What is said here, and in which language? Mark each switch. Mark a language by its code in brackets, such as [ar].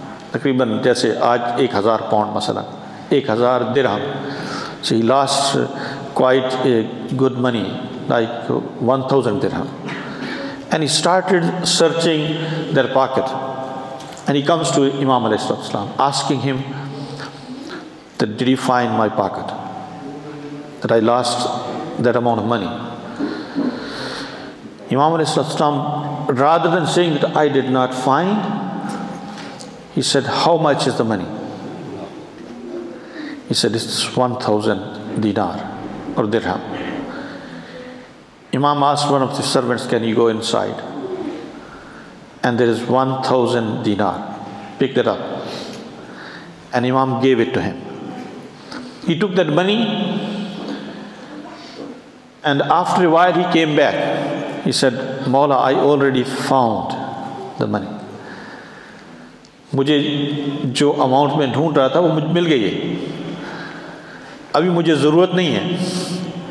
[ur] تقریباً جیسے آج [en] 1,000 pound مثلا، 1,000 درہم، she lost quite a good money like 1,000 درہم، and he started searching their pocket and he comes to امام علیہ السلام asking him that did you find my pocket that I lost that amount of money. امام علیہ السلام rather then seeing that I did not find he said how much is the money, he said it's 1,000 دینار اور درہم. امام ask one of the servants can you go in side and there از 1,000 دینار پک that up and امام give it to him. He took that money and after while he came back he said مولا I already found the money, [ur] مجھے جو amount میں ڈھونڈ رہا تھا وہ مجھے مل گئی ہے، ابھی مجھے ضرورت نہیں ہے.